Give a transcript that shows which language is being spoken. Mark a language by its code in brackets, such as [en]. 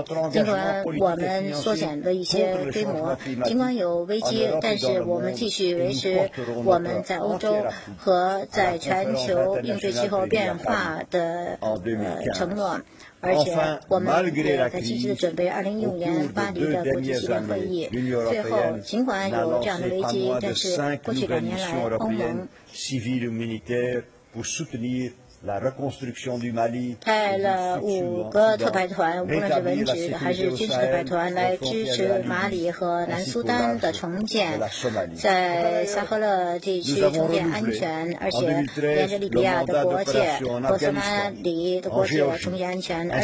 [zh] 尽管我们缩小的一些规模，尽管有危机，但是我们继续维持我们在欧洲和在全球应对气候变化的承诺，而且我们也在积极的准备2015年巴黎的国际气候会议。最后，尽管有这样的危机，但是过去两年来，欧盟 [fr] civil humanitaire pour soutenir La reconstruction du Mali, [zh] 派了五个特派团，无论是文职还是军事特派团，来支持马里和南苏丹的重建，在撒赫勒地区重建安全，而且沿着利比亚的国界、波斯马里的国界重建安全。